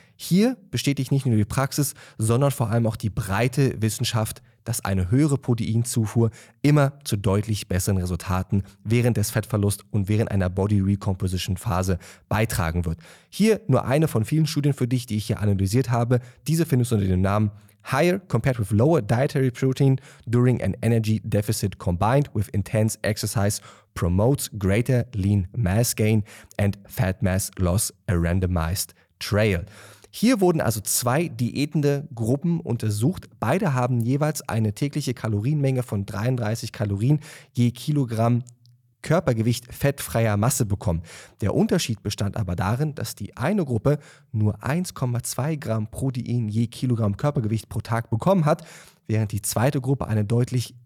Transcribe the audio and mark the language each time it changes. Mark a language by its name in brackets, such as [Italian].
[German] Hier bestätigt nicht nur die Praxis, sondern vor allem auch die breite Wissenschaft, dass eine höhere Proteinzufuhr immer zu deutlich besseren Resultaten während des Fettverlusts und während einer Body Recomposition Phase beitragen wird. Hier nur eine von vielen Studien für dich, die ich hier analysiert habe. Diese findest du unter dem Namen [English] Higher compared with lower dietary protein during an energy deficit combined with intense exercise promotes greater lean mass gain and fat mass loss a randomized trial. [German] Hier wurden also zwei diätende Gruppen untersucht. Beide haben jeweils eine tägliche Kalorienmenge von 33 Kalorien je Kilogramm Körpergewicht fettfreier Masse bekommen. Der Unterschied bestand aber darin, dass die eine Gruppe nur 1,2 Gramm Protein je Kilogramm Körpergewicht pro Tag bekommen hat, während die zweite Gruppe eine deutlich